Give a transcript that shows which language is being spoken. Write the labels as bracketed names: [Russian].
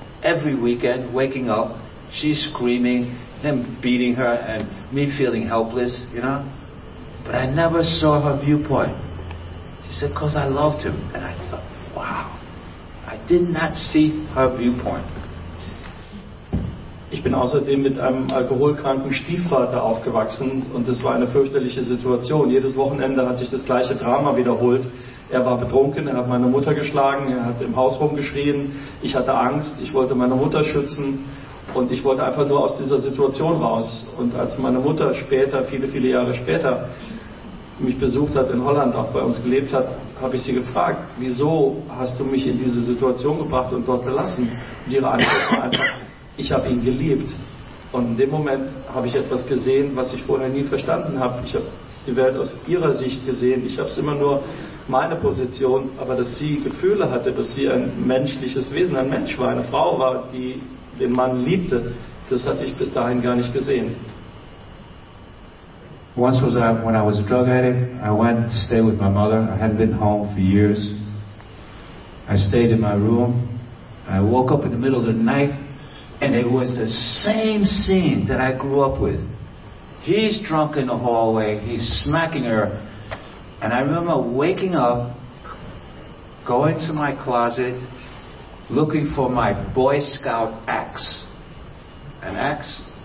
[English] Every weekend, waking up, she's screaming, him beating her, and me feeling helpless, you know? But I never saw her viewpoint. She said, because I loved him. And I thought, wow. I did not see her viewpoint. [German] Ich bin außerdem mit einem alkoholkranken Stiefvater aufgewachsen und es war eine fürchterliche Situation. Jedes Wochenende hat sich das gleiche Drama wiederholt. Er war betrunken, er hat meine Mutter geschlagen, er hat im Haus rumgeschrien. Ich hatte Angst, ich wollte meine Mutter schützen und ich wollte einfach nur aus dieser Situation raus. Und als meine Mutter später, viele, viele Jahre später, mich besucht hat in Holland, auch bei uns gelebt hat, habe ich sie gefragt, wieso hast du mich in diese Situation gebracht und dort gelassen? Und ihre Antwort war einfach, ich habe ihn geliebt. Und in dem Moment habe ich etwas gesehen, was ich vorher nie verstanden habe. Ich habe die Welt aus ihrer Sicht gesehen. Ich habe es immer nur meine Position, aber dass sie Gefühle hatte, dass sie ein menschliches Wesen, ein Mensch war, eine Frau war, die den Mann liebte, das hatte ich bis dahin gar nicht gesehen. [English] Once was I, when I was a drug addict, I went to stay with my mother. I hadn't been home for years. I stayed in my room. I woke up in the middle of the night. And it was the same scene that I grew up with. He's drunk in the hallway, he's smacking her. And I remember waking up, going to my closet, looking for my Boy Scout axe. An axe.